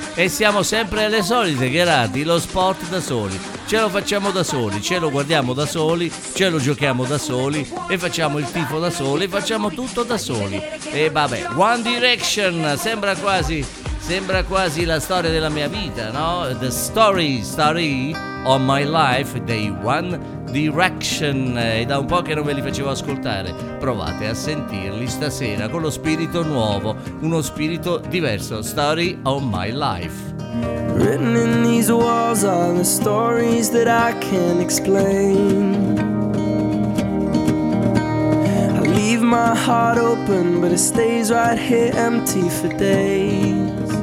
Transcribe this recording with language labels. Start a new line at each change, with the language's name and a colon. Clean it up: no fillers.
Italian: E siamo sempre alle solite, Gherardi, lo sport da soli, ce lo facciamo da soli, ce lo guardiamo da soli, ce lo giochiamo da soli e facciamo il tifo da soli e facciamo tutto da soli. E vabbè, One Direction, sembra quasi la storia della mia vita, no?
English: The story on my life, day One Direction.
Italian: È da un po' che non ve li facevo ascoltare. Provate a sentirli stasera con lo spirito nuovo, uno spirito diverso.
English: Story of my life. Written in these walls are the stories that I can't explain. I leave my heart open, but it stays right here empty for days.